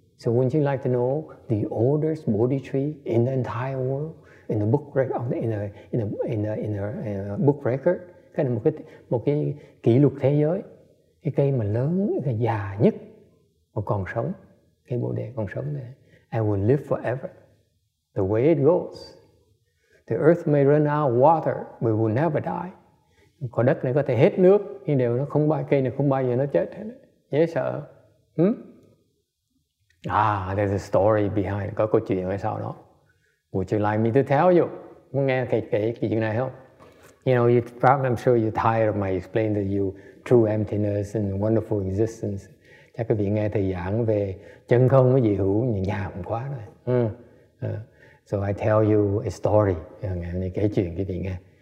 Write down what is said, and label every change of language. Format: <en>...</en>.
<en>So wouldn't you like to know the oldest Bodhi tree in the entire world, in the book record, book record?</en> <vi>Cái là một cái kỷ lục thế giới. Cái cây mà lớn, cái già nhất mà còn sống. Cây bồ đề còn sống này.</vi> <en>And will live forever. The way it goes. The earth may run out of water, but it will never die.</en> <vi>Quả đất này có thể hết nước, nhưng điều nó không bao, cây này không bao giờ nó chết. Dễ sợ.</vi> <en>Hmm? Ah, there's a story behind.</en> <vi>Có câu chuyện ở sau đó.</vi> <en>Would you like me to tell you?</en> <vi>Muốn nghe thầy kể cái chuyện này không?</vi> <en>You know, you probably, I'm sure you're tired of my explaining to you true emptiness and wonderful existence.</en> <vi>Chắc quý vị nghe thầy giảng về chân không có gì hữu, nhàm quá rồi.</vi> <en>So I tell you a story.</en> <vi>Nghe kể chuyện quý vị nghe.</vi>